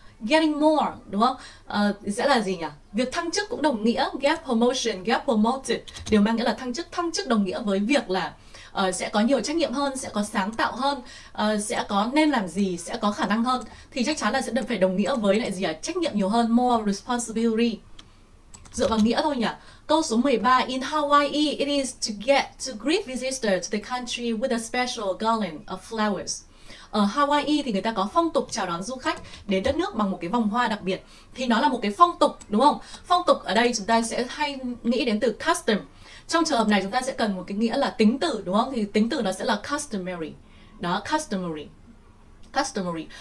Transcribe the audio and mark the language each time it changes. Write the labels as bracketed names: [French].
[Vietnamese] Getting more, đúng không? Sẽ là gì nhỉ? Việc thăng chức cũng đồng nghĩa get promotion, get promoted. Điều mang nghĩa là thăng chức. Thăng chức đồng nghĩa với việc là sẽ có nhiều trách nhiệm hơn, sẽ có sáng tạo hơn, sẽ có nên làm gì, sẽ có khả năng hơn. Thì chắc chắn là sẽ được phải đồng nghĩa với lại gì ạ? Trách nhiệm nhiều hơn, more responsibility. Dựa vào nghĩa thôi nhỉ? [English] Câu số 13, in Hawaii, it is to get to greet visitors to the country with a special garland of flowers. [Vietnamese] Ở Hawaii thì người ta có phong tục chào đón du khách đến đất nước bằng một cái vòng hoa đặc biệt. Thì nó là một cái phong tục, đúng không? Phong tục ở đây chúng ta sẽ hay nghĩ đến từ custom. Trong trường hợp này chúng ta sẽ cần một cái nghĩa là tính từ, đúng không? Thì tính từ nó sẽ là customary. Đó, customary. Customary.